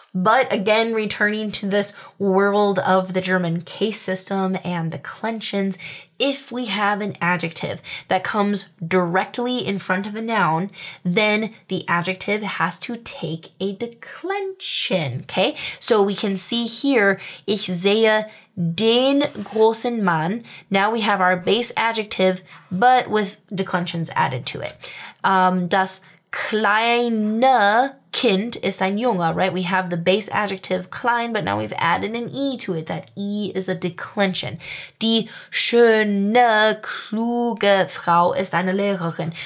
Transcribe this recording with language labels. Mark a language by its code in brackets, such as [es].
[en] But again, returning to this world of the German case system and declensions, if we have an adjective that comes directly in front of a noun, then the adjective has to take a declension, okay? So we can see here, [de] ich sehe den großen Mann. [en] Now we have our base adjective, but with declensions added to it. [de] Das kleine Kind ist ein Junge, right? [en] We have the base adjective klein, but now we've added an E to it. That E is a declension. [de] Die schöne, kluge Frau ist eine Lehrerin.